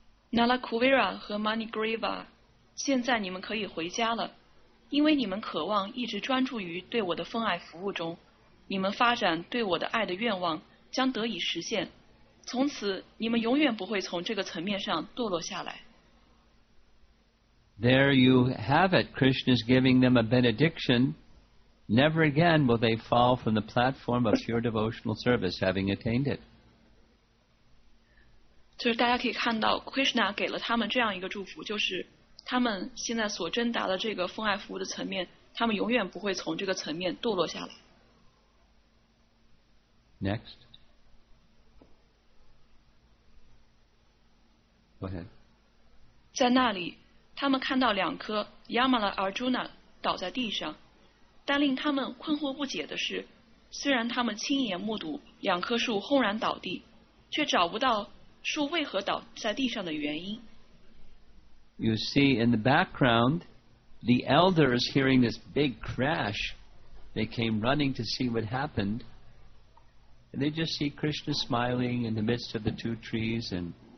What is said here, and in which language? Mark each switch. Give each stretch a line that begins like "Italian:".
Chinese: Nala Kuvera 和 Manigriva， 现在你们可以回家了，因为你们渴望一直专注于对我的奉爱服务中，你们发展对我的爱的愿望将得以实现，从此你们永远不会从这个层面上堕落下来。
English: There you have it. Krishna is giving them a benediction. Never again will they fall from the platform of pure devotional service, having attained it.
Chinese: 就是大家可以看到 ，Krishna 给了他们这样一个祝福，就是他们现在所真达的这个奉爱服务的层面，他们永远不会从这个层面堕落下来。
English: Next. Go ahead.
Chinese: 在那里。他们看到两颗 Yamala Arjuna 倒在地上，但令他们困惑不解的是，虽然他们亲眼目睹两棵树轰然倒地，却找不到树为何倒在地上的原因。
English: You see in the background, the elders hearing this big crash, they came running to see what happened, and they just see Krishna smiling in the midst of the two trees and.